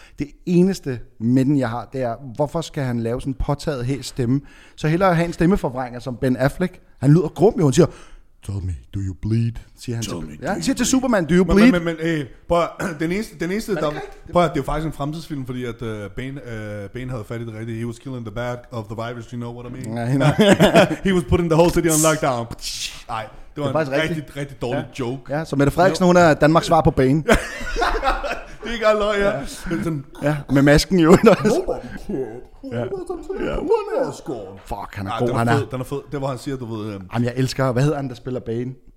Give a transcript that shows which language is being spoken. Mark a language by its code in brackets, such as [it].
[da] Det eneste med den, jeg har, det er, hvorfor skal han lave sådan en påtaget hæs stemme? Så hellere have en stemmeforvrænger som Ben Affleck. Han lyder grum, jo, han siger, [en] tell me, do you bleed? [da] Siger han [en] tell [da] til, [en] me, [da] ja, han siger til Superman, [en] do you bleed? [da] Men, det er jo faktisk en fremtidsfilm, fordi at Bane havde fat i det rigtige. [en] He was killing the bad of the virus, you know what I mean? [da] Nej, nej. [en] He was putting the whole city on lockdown. [da] Nej, det var en rigtig, rigtig dårlig joke. Ja, så Mette Frederiksen, hun er Danmarks svar på Bane. Det er ikke alt løg, ja. Med masken jo. Ja. Fuck, han er god, han er. Den er fed. Det var han siger, du ved. Jamen, jeg elsker. Hvad hedder han, der spiller Bane?